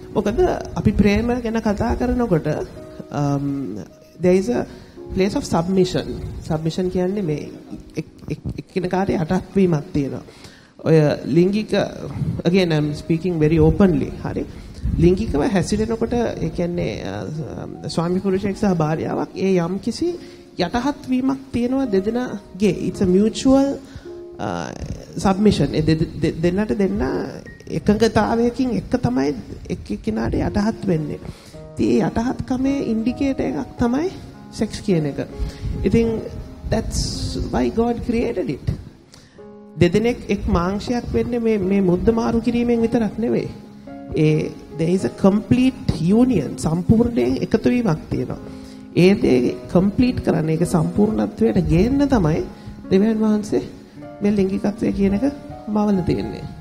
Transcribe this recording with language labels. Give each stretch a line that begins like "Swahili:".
Sinhala: මොකද අපි ප්‍රේම ගැන කතා කරනකොට
English: there is a place of submission.
Sinhala: Submission කියන්නේ මේ එක්කෙනාට යටත් වීමක් තියෙනවා. ඔය ලිංගික
English: again I'm speaking very openly.
Sinhala: හරි. ලිංගිකව හැසිරෙනකොට ඒ කියන්නේ ස්වාමි පුරුෂයෙක් සහ භාර්යාවක් ඒ යම් කිසි යටහත් වීමක් තියෙනවා දෙදෙනාගේ.
English: It's a mutual submission.
Sinhala: ඒ දෙන්නට දෙන්නා එකඟතාවයකින් එක තමයි එක්කිනාට යටහත් වෙන්නේ. ඉතින් මේ යටහත්කමේ ඉන්ඩිකේටර් එකක් තමයි සෙක්ස් කියන එක.
English: ඉතින් that's why God created it.
Sinhala: දෙදෙනෙක් එක් මාංශයක් වෙන්නේ මේ මුද්ද මාරු කිරීමෙන් විතරක් නෙවෙයි. ඒ
English: there is a complete union
Sinhala: සම්පූර්ණයෙන් එකතු වීමක් තියෙනවා. ඒ දේ complete කරන්න ඒක සම්පූර්ණත්වයට ගේන්න තමයි දෙවියන් වහන්සේ මේ ලිංගිකත්වය කියන එක මවල තියෙන්නේ.